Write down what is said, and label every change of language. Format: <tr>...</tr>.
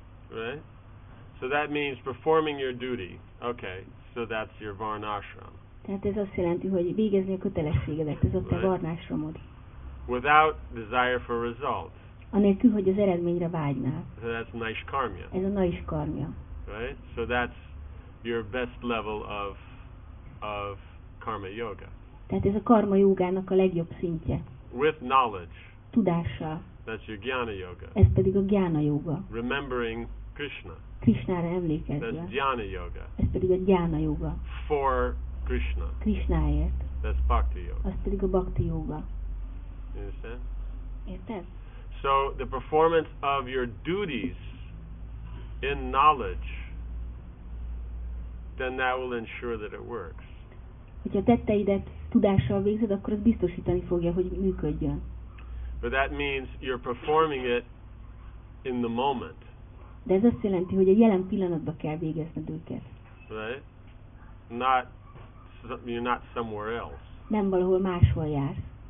<en>Right? So that means performing your duty. Okay, so that's your varnashram.</en> <hu>Tehát ez azt jelenti, hogy végezni a kötelességedet, ez ott</hu> <en>right.</en> <hu>A varnásromod.</hu> <en>Without desire for results.</en> <hu>Anélkül, hogy az eredményre vágynál.</hu> <en>So that's naiskarmya.</en> <hu>Ez a naiskarmya.</hu> <en>Right? So that's your best level of karma yoga.</en> <hu>Tehát ez a karma jogának a legjobb szintje.</hu> <en>With knowledge.</en> <hu>Tudással.</hu> <en>That's your jnana yoga.</en> <hu>Ez pedig a jnana yoga.</hu> <en>Remembering Krishna.</en> <hu>Krishnára emlékezve.</hu> <en>That's jnana yoga.</en> <hu>Ez pedig a jnana yoga.</hu> <en>For Krishna.</en> <hu>Krishnáért.</hu> <en>That's bhakti yoga.</en> <hu>Az pedig a bhakti yoga.</hu> <en>You understand?</en> <hu>Érted?</hu> <en>So the performance of your duties in knowledge, then that will ensure that it works.</en> <hu>Hogyha tetteidet tudással végzed, akkor az biztosítani fogja, hogy működjön.</hu> <en>But that means you're performing it in the moment.</en> <hu>De ez azt jelenti, hogy a jelen pillanatban kell végezned őket.</hu> <en>Right? Not you're not somewhere else.</en> <hu>Nem valahol máshol jársz.</hu>